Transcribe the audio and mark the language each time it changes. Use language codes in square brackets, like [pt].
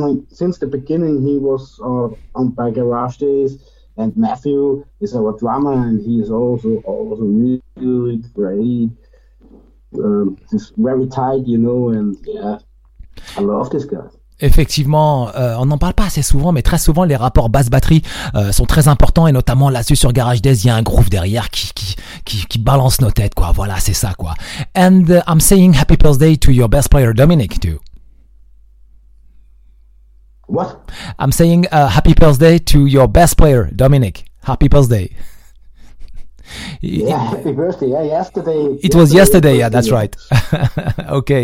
[en] Since the beginning, he was on by Garage Days. And Matthew is our drummer, and he is also really great. He's very tight, you know, and yeah, I love this guy. [fr] Effectivement, on n'en parle pas assez souvent, mais très souvent les rapports basse-batterie sont très importants, et notamment là-dessus sur Garage Days, il y a un groove derrière qui balance nos têtes quoi. Voilà, c'est ça quoi. [en] And I'm saying happy birthday to your best player Dominic too. What? I'm saying happy birthday to your best player Dominic. Happy birthday. Happy birthday. Yeah, yesterday. It was yesterday. Yeah, that's right. Okay.